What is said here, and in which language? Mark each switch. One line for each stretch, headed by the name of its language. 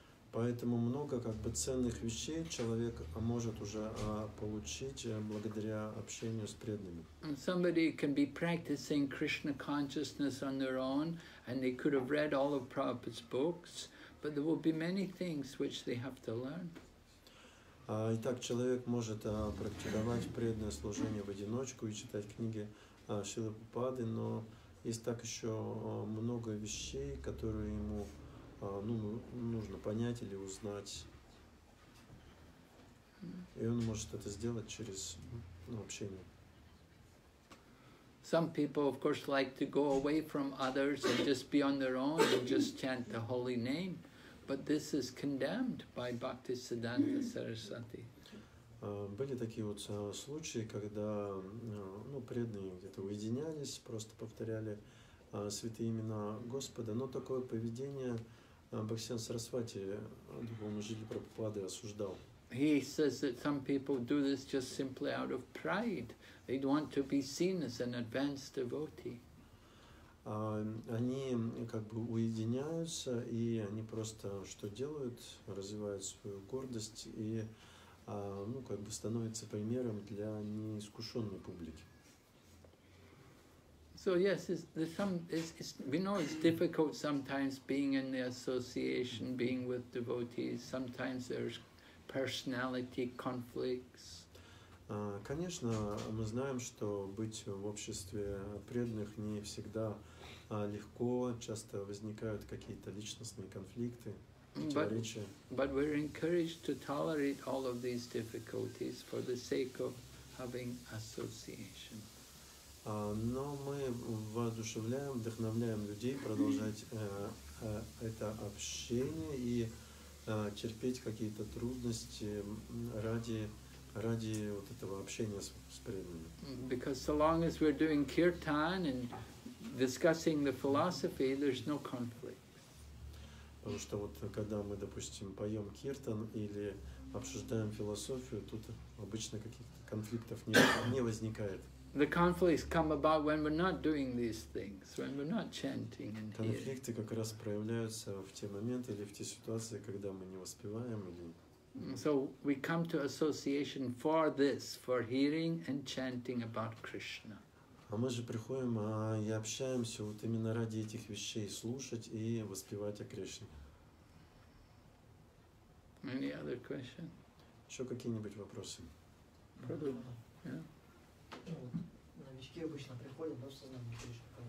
Russian: Поэтому много как бы ценных вещей человек может уже получить благодаря общению с преданными.
English: Somebody can be practicing Krishna consciousness on their own, and they could have read all of Prabhupada's books, but there will be many things which they have to learn.
Russian: Итак, человек может практиковать преданное служение в одиночку и читать книги Шрилы Прабхупады, но есть так еще много вещей, которые ему нужно понять или узнать. И он может это сделать через общение.
English: Some people, of course, like to go away from others and just be on their own and just chant the holy name. But this is condemned by Bhaktisiddhanta Sarasvati.
Russian: Были такие вот случаи, когда преданные где-то уединялись, просто повторяли святые имена Господа. Но такое поведение Бхактисиддханта Сарасвати, он уже для Прабхупады осуждал.
English: He says that some people do this just simply out of pride. They want to be seen as an advanced devotee.
Russian: Они как бы уединяются, и они просто что делают? Развивают свою гордость и как бы становятся примером для неискушенной публики.
English: So yes, it's we know it's difficult sometimes being in the association, being with devotees. Sometimes there's personality conflicts.
Russian: Конечно, мы знаем, что быть в обществе преданных не всегда легко, часто возникают какие-то личностные конфликты, противоречия.
English: But we're encouraged to tolerate all of these difficulties for the sake of having association.
Russian: Но мы воодушевляем, вдохновляем людей продолжать это общение и терпеть какие-то трудности ради вот этого общения с преданными.
English: Because so long as we're doing kirtan and discussing the philosophy, there's no conflict.
Russian: Потому что вот когда мы, допустим, поем киртан или обсуждаем философию, тут обычно каких-то конфликтов не возникает.
English: The conflicts come about when we're not doing these things, when we're not chanting and hearing.
Russian: Конфликты как раз проявляются в те моменты или в те ситуации, когда мы не воспеваем или.
English: So we come to association for this, for hearing and chanting about Krishna.
Russian: А мы же приходим и общаемся вот именно ради этих вещей, слушать и воспевать о Кришне.
English: Any other question?
Russian: Еще какие-нибудь вопросы? Новички обычно приходят, да, в сознание Кришны.